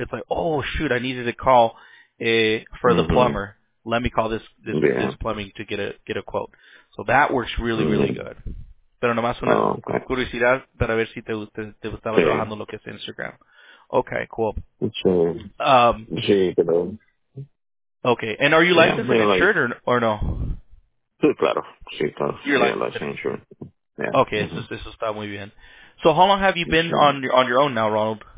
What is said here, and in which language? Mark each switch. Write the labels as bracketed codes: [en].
[en] It's like, oh, shoot, I needed to call for the mm-hmm. plumber. Let me call this plumbing to get a quote. So that works really, mm-hmm. really good. [es] Pero nomás una curiosidad para ver si te gustaba trabajando lo que es Instagram. [en] Okay, cool. Okay, and are you licensed and insured or no? [es] Sí, claro. Sí, claro. [en] You're licensed and insured. [es] Okay, mm-hmm. eso está muy bien. [en] So how long have you been on your own now, Ronald?